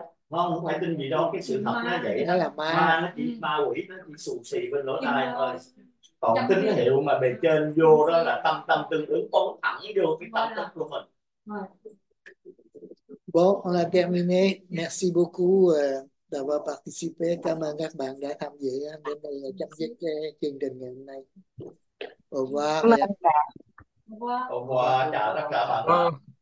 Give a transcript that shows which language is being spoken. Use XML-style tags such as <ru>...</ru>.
<vi>Không, không phải tin gì đâu, cái sự thật nó vậy. Đó là ma. Ma nó chỉ ma quỷ, nó chỉ xù xì bên lỗ tai thôi. Còn tín hiệu mà bề trên vô đó là tâm tâm tương ứng, con thẳng vô cái tâm thức của mình.</vi> <fr>Bon, on a terminé. Merci beaucoup d'avoir participé.</fr> <vi>Cảm ơn các bạn đã tham dự đến đây chấm dứt chương trình ngày hôm nay.</vi> <fr>Au revoir em. Au revoir,</fr> <vi>chào tất cả bạn.</vi>